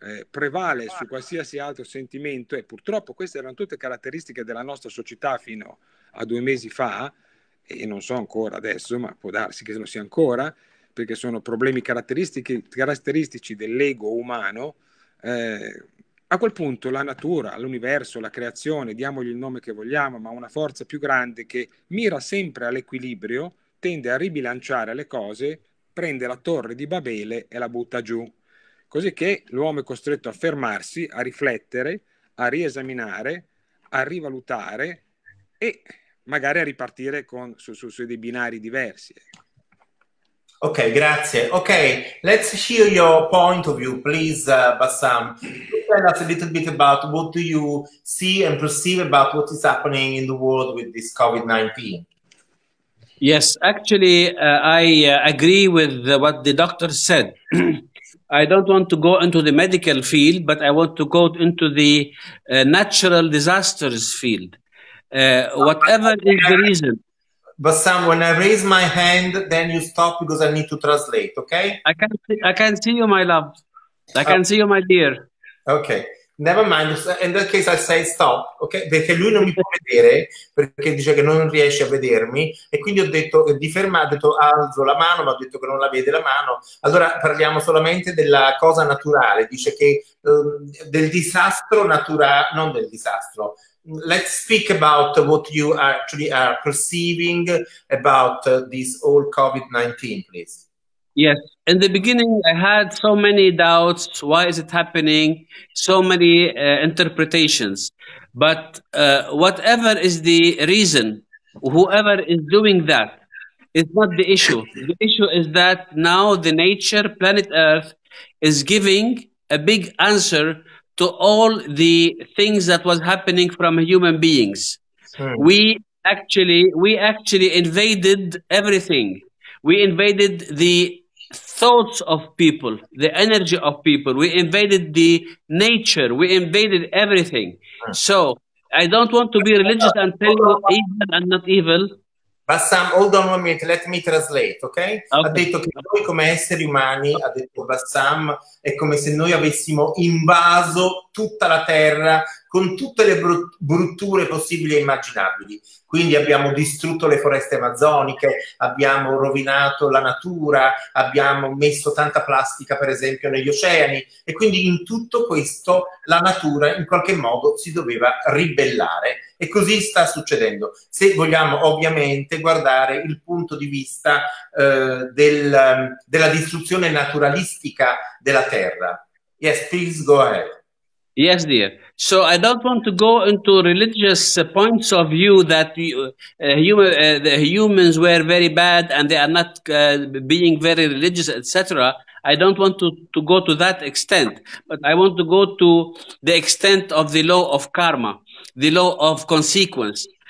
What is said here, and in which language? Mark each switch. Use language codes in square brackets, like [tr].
[it] prevale su qualsiasi altro sentimento, e purtroppo queste erano tutte caratteristiche della nostra società fino a 2 mesi fa, e non so ancora adesso, ma può darsi che lo sia ancora, perché sono problemi caratteristici dell'ego umano, a quel punto la natura, l'universo, la creazione, diamogli il nome che vogliamo, ma una forza più grande che mira sempre all'equilibrio, tende a ribilanciare le cose, prende la torre di Babele e la butta giù. Così che l'uomo è costretto a fermarsi, a riflettere, a riesaminare, a rivalutare e magari a ripartire su dei binari diversi. Ok, grazie. [en] Ok, let's hear your point of view, please, Bassam. Tell us a little bit about what do you see and perceive about what is happening in the world with this COVID-19. Yes, actually, I agree with what the doctor said. I don't want to go into the medical field, but I want to go into the natural disasters field. Whatever is the reason. Bassam, when I raise my hand, then you stop because I need to translate, okay? I can see you, my love. I can see you, my dear. Okay, never mind. In that case, I say stop, okay? [it] Perché lui non mi può vedere, perché dice che non riesce a vedermi, e quindi ho detto di fermare, ho detto alzo la mano, ma ho detto che non la vede la mano. Allora parliamo solamente della cosa naturale, dice che del disastro naturale, non del disastro. [en] Let's speak about what you actually are perceiving about this whole COVID-19, please. Yes, in the beginning I had so many doubts, why is it happening, so many interpretations. But whatever is the reason, whoever is doing that, is not the issue. The issue is that now the nature, planet Earth, is giving a big answer to all the things that was happening from human beings. Sure. We actually invaded everything. We invaded the thoughts of people, the energy of people. We invaded the nature. We invaded everything. Sure. So I don't want to be religious and tell you evil and not evil. [it] Bassam, [en] hold on a minute, let me translate, okay? [it] Ha detto che noi come esseri umani, ha detto Bassam, è come se noi avessimo invaso tutta la terra con tutte le brutture possibili e immaginabili. Quindi abbiamo distrutto le foreste amazzoniche, abbiamo rovinato la natura, abbiamo messo tanta plastica, per esempio, negli oceani. E quindi in tutto questo la natura in qualche modo si doveva ribellare. E così sta succedendo. Se vogliamo ovviamente guardare il punto di vista della distruzione naturalistica della terra. [en] Yes, please go ahead. Yes, dear. So I don't want to go into religious points of view that the humans were very bad and they are not being very religious, etc. I don't want to go to that extent, but I want to go to the extent of the law of karma, the law of consequence.